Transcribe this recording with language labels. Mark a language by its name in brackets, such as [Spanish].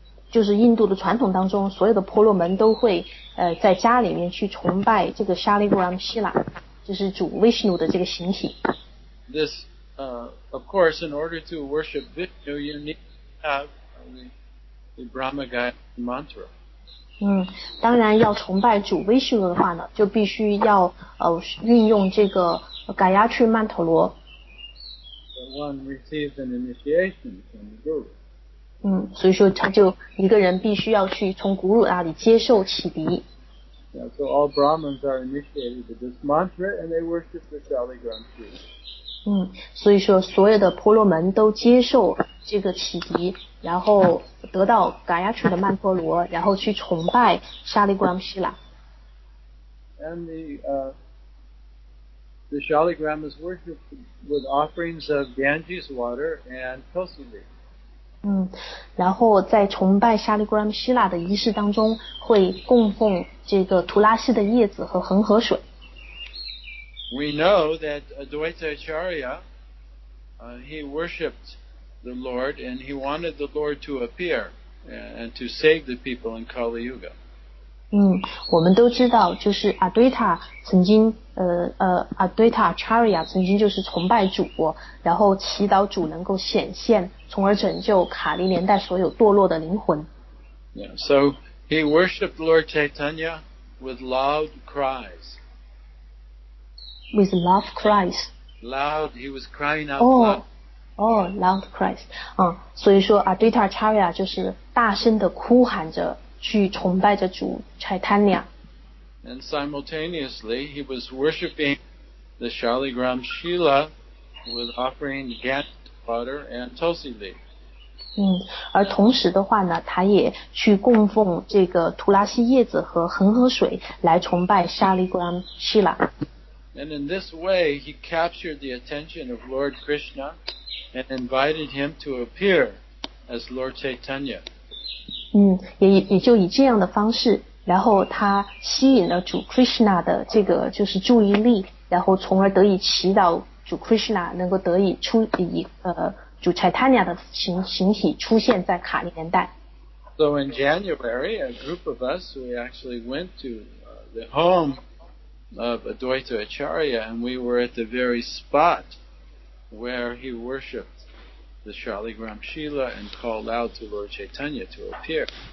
[Chinese] 就是印度的传统当中，所有的婆罗门都会在家里面去崇拜这个 Shaligram Shila， 就是主 Vishnu 的这个形体。 [English] This, of course, in order to worship Vishnu, you need to have the Brahma Gayatri Mantra. [Chinese] 当然要崇拜主 Vishnu 的话呢，就必须要运用这个 Gayatri Mantra. [English] The one received an initiation from the Guru. [Chinese] 所以说他就一个人必须要去从古鲁那里接受启迪。 [English] Yeah, so all Brahmins are initiated with this mantra and they worship the Shaligram Shila. [Chinese] 所以说所有的婆罗门都接受这个启迪，然后得到 Gayatri 的曼陀罗，然后去崇拜 Shaligram Shila. [English] And the Shaligram is worshipped with offerings of Ganges water and Tulsi leaves. [Chinese] 然后在崇拜 Shaligram Shila 的仪式当中会供奉这个图拉西的叶子和恒河水。 [English] We know that Advaita Acharya, he worshipped the Lord and he wanted the Lord to appear and to save the people in Kali Yuga. [Chinese] 我们都知道就是 Advaita 曾经Advaita Acharya 曾经就是崇拜主，然后祈祷主能够显现，从而拯救卡利年代所有堕落的灵魂。 [English] Yeah, so he worshipped Lord Chaitanya with loud cries. With loud cries. Loud, he was crying out loud. Loud cries. [Chinese] 所以说 Advaita Acharya 就是大声的哭喊着去崇拜着主 Chaitanya. [English] And simultaneously, he was worshipping the Shaligram Shila with offering Gant water and Tulsi leaf. [Chinese] 而同时的话呢，他也去供奉这个图拉西叶子和恒河水来崇拜 Shaligram Shila. [English] And in this way, he captured the attention of Lord Krishna and invited him to appear as Lord Chaitanya. [Chinese] 也就以这样的方式，然后他吸引了主 Krishna 的这个就是注意力，然后从而得以祈祷主 Krishna 能够得以出以主 Chaitanya 的形体出现在卡利年代。 [English] So in January, a group of us we actually went to the home of Advaita Acharya, and we were at the very spot where he worshipped the Shaligram Shila and called out to Lord Chaitanya to appear.